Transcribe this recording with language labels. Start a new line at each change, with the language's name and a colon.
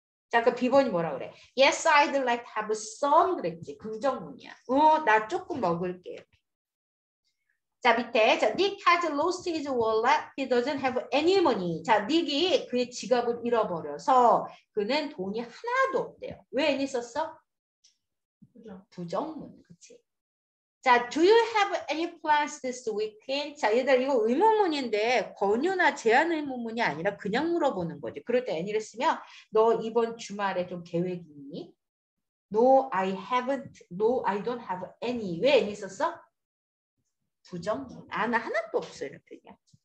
Korean: 자, 그 비번이 뭐라 그래?
English: Yes, I'd like to have some.
Korean: 그랬지. 긍정문이야. 어, 나 조금 먹을게. 자, 밑에.
English: 자, Nick has lost his wallet. He doesn't have any money.
Korean: 자, Nick이 그의 지갑을 잃어버려서 그는 돈이 하나도 없대요. 왜 애니 썼어? 부정문. 그치.
English: 자, Do you have any plans this weekend?
Korean: 자, 얘들아, 이거 의문문인데 권유나 제안 의문문이 아니라 그냥 물어보는 거지. 그럴 때 애니를 쓰면 너 이번 주말에 좀 계획이 있니?
English: No, I haven't. No, I don't have any.
Korean: 왜 애니 썼어? 부정문. 아, 나 하나도 없어. 이렇게 그냥.